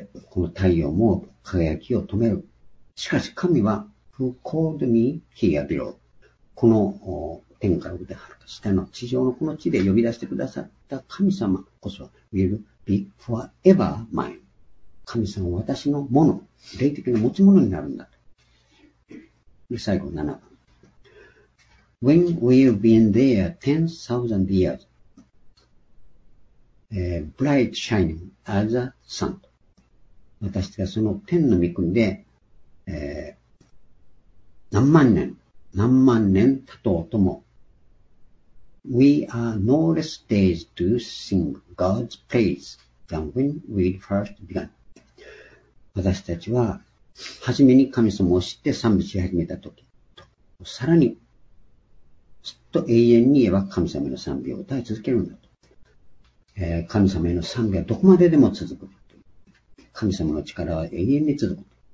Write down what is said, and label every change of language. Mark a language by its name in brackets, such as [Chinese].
[Japanese] この太陽も輝きを止める。しかし神は [English] Who called me here below、 [Japanese] この天から降ってはるか下の地上のこの地で呼び出してくださった神様こそ [English] Will be forever mine、 [Japanese] 神様は私のもの、霊的な持ち物になるんだと。で最後7番、 [English] When we've been there 10,000 years、 Bright shining as a sun、 [Japanese] 私がその天の御国で、何万年何万年たとうとも、 [English] We are no less days to sing God's praise than when we first began。 [Japanese] 私たちは初めに神様を知って賛美し始めた時と、さらにずっと永遠に言えば神様の賛美を歌い続けるんだと。神様への賛美はどこまででも続くと。神様の力は永遠に続くと。